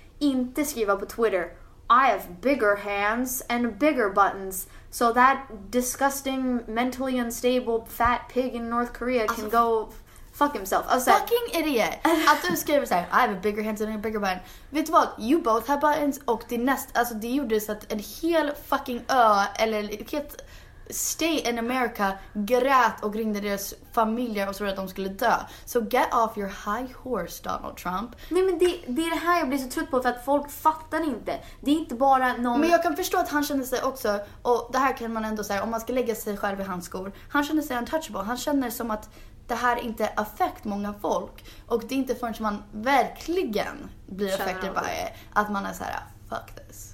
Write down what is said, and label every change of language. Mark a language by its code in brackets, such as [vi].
[sv] Inte skriva på Twitter, [en] I have bigger hands and bigger buttons, so that disgusting, mentally unstable fat pig in North Korea can go fuck himself. [sv] Alltså, fucking idiot. Att du skriver såhär, [en] I have a bigger hands and a bigger button. [sv] Vet du vad? [en] You both have buttons. [sv] Och det nästa, alltså det gjorde så att en hel fucking ö, eller ett [en] stay in America, [sv] grät och ringde deras familjer och så att de skulle dö. [en] So get off your high horse, Donald Trump. [sv] Nej, men det är det här jag blir så trött på, för att folk fattar inte. Det är inte bara någon. Men jag kan förstå att han känner sig också, och det här kan man ändå säga, om man ska lägga sig själv i hans skor, han känner sig untouchable. Han känner som att det här inte affekt många folk. Och det är inte förrän man verkligen blir [en] affected by it [sv] att man är så här, [en] fuck this.